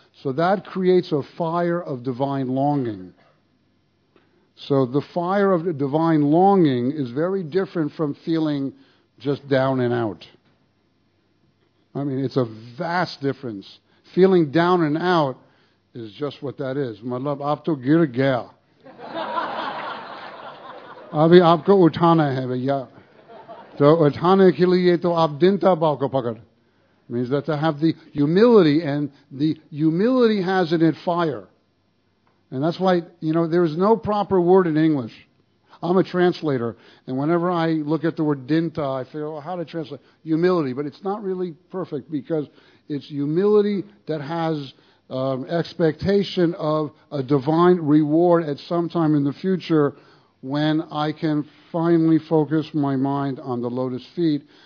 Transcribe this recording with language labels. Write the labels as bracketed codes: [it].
[en] So that creates a fire of divine longing. So the fire of divine longing is very different from feeling just down and out. I mean, it's a vast difference. Feeling down and out is just what that is. [hi] मतलब, आप तो गिर गया. अभी आपको उठाना है भैया. तो उठाने के लिए तो आप दिनता बाओ को पकड़. [en] Means that to have the humility, and the humility has in it fire. And that's why, you know, there is no proper word in English. I'm a translator, and whenever I look at the word dinta, I figure, well, how to translate? Humility. But it's not really perfect, because it's humility that has expectation of a divine reward at some time in the future when I can finally focus my mind on the lotus feet.